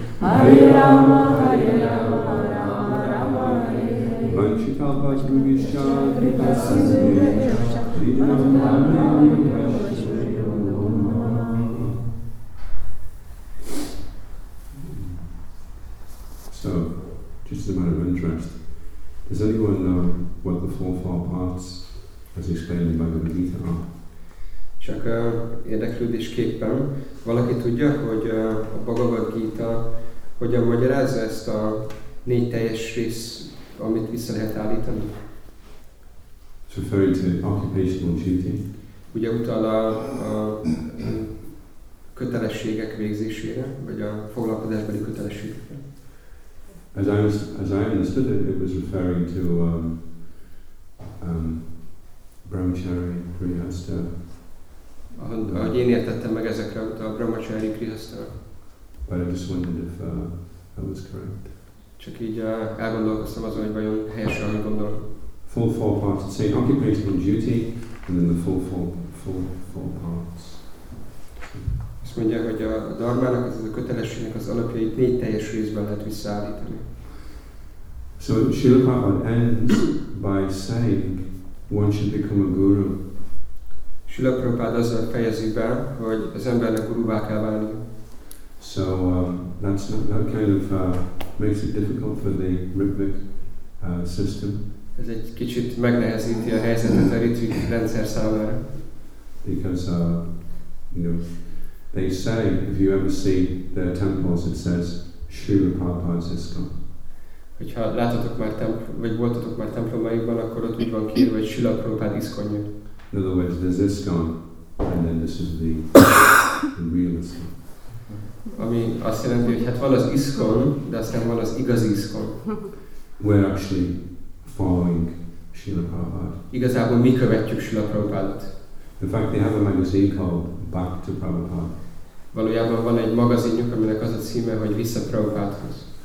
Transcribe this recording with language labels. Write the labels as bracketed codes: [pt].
[en] So, just a matter of interest, does anyone know what the four fall parts, as explained in Bhagavad Gita, are? [hu] Csak érdeklődésképpen, valaki tudja, hogy a Bhagavad Gita hogyan magyarázza ezt a négy teljes rész, amit vissza lehet állítani? [en] It's referring to occupational duty. [hu] Ugye utal a kötelességek végzésére, vagy a foglalkozásbeli kötelességekre? [en] As I understood it, it was referring to brahmachari, grihastha. [hu] Ahogy én értettem meg ezekre, a brahmachari, grihastha. [en] But I just wondered if that was correct. [hu] Csak így elgondolkoztam azon, hogy vajon helyes, ahogy gondolom. [en] Full four parts, it's saying occupational duty, and then the full four parts. [hu] Azt mondja, hogy a dharmának, az a kötelességnek az alapjait négy teljes részben lehet visszaállítani. [en] So Srila Prabhupada ends by saying, one should become a guru. [hu] Srila Prabhupada azzal fejezi be, hogy az embernek guruvá kell válni. [en] So that kind of makes it difficult for the Ritvik system. [hu] Ez egy kicsit megnehezíti a helyzetet a Ritvik rendszer számára. [en] Because they say, if you ever see their temples, it says Srila Prabhupada's ISKCON. [hu] Hogyha láttatok már templomaikban, akkor ott úgy van kiírva, hogy Srila Prabhupada ISKCON-ja. [en] In other words, there's ISKCON, and then this is the real ISKCON. [hu] Ami azt jelenti, hogy hát van az ISKCON, de aztán van az igazi ISKCON. [en] We're actually following Srila Prabhupada. [hu] Igazából mi követjük Srila Prabhupádot. [en] In fact, they have a magazine called Back to Prabhupada. [hu] Valójában van egy magazinjuk, aminek az a címe, hogy Vissza Prabhupádhoz.